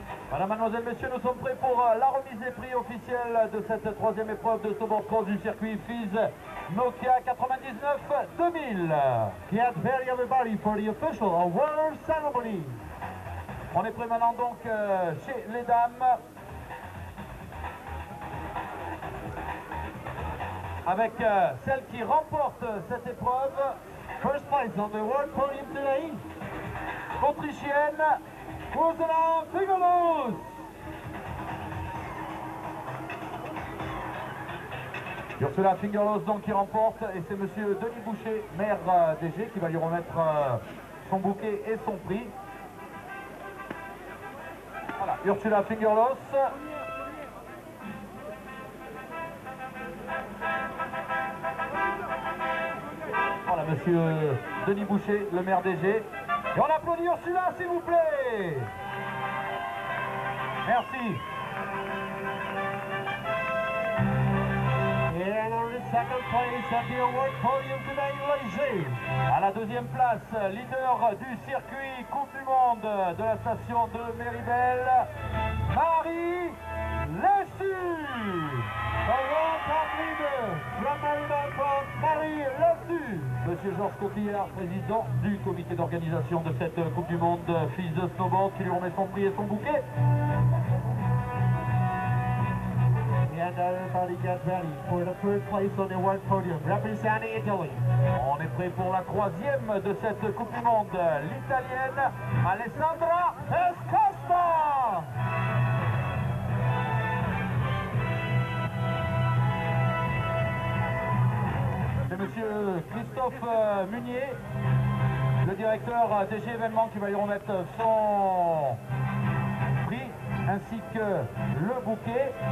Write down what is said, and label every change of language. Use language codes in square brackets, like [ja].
[fr] Madame, mademoiselle, messieurs, nous sommes prêts pour la remise des prix officielle de cette troisième épreuve de snowboard cross du circuit FIS Nokia 99-2000. [en] Get ready everybody for the official award ceremony. [fr] On est prêts maintenant donc chez les dames. Avec celle qui remporte cette épreuve. [en] First place on the world podium today. [fr] Autrichienne, Ursula Fingolos. Ursula Fingolos donc qui remporte, et c'est monsieur Denis Boucher, maire DG, qui va lui remettre son bouquet et son prix. Voilà, Ursula Fingolos. Voilà, monsieur Denis Boucher, le maire DG. Et on applaudit Ursula, s'il vous plaît. Merci. [en] And on the second place at the award podium today, Léger. [fr] À la deuxième place, leader du circuit Coupe du Monde de la station de Méribel, Marie Lessu. [en] The World Cup leader from Méribel Cross, Marie Lessu. [fr] Monsieur Georges Coquillard, président du comité d'organisation de cette Coupe du Monde FIS de Snowboard, qui lui remet son prix et son bouquet. [en] And everybody get ready for the first place on the world podium, representing Italy. [fr] On est prêt pour la troisième de cette Coupe du Monde, l'Italienne Alessandra Pascosta. Monsieur Christophe Munier, le directeur DG événements, qui va lui remettre son prix ainsi que le bouquet.